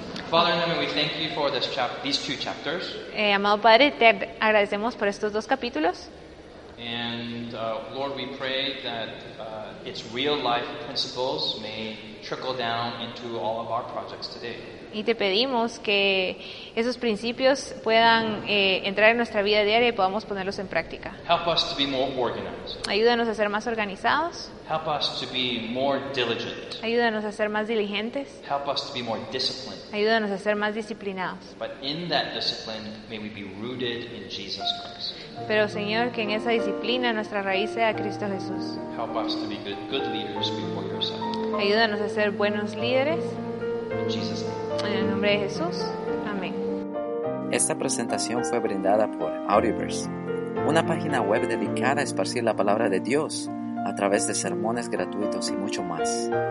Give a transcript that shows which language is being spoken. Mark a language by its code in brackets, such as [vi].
[en] Father in heaven, we thank you for these two chapters. [es] Amado Padre, te agradecemos por estos dos capítulos. [en] And Lord, we pray that its real life principles may trickle down into all of our projects today. [es] Y te pedimos que esos principios puedan entrar en nuestra vida diaria y podamos ponerlos en práctica. [en] Help us to be more organized. [es] Ayúdanos a ser más organizados. [en] Help us to be more diligent. [es] Ayúdanos a ser más diligentes. [en] Help us to be more disciplined. [es] Ayúdanos a ser más disciplinados. [en] But in that discipline, may we be rooted in Jesus Christ. [es] Pero Señor, que en esa disciplina nuestra raíz sea Cristo Jesús. [en] Help us to be good leaders before your Son. [es] Ayúdanos a ser buenos líderes. [en] Jesus. [es] En el nombre de Jesús. Amén. Esta presentación fue brindada por Audioverse, una página web dedicada a esparcir la palabra de Dios a través de sermones gratuitos y mucho más.